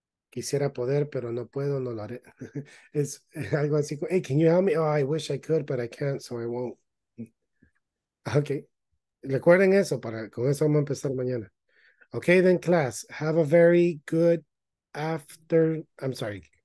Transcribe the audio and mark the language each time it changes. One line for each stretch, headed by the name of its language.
Spanish: Quisiera poder, pero no puedo, no lo haré. Es algo así como,
English: hey, can you help me? Oh, I wish I could, but I can't, so I won't. Okay.
Spanish: Recuerden eso, con eso vamos a empezar mañana.
English: Okay, then class, have a very good afternoon. I'm sorry.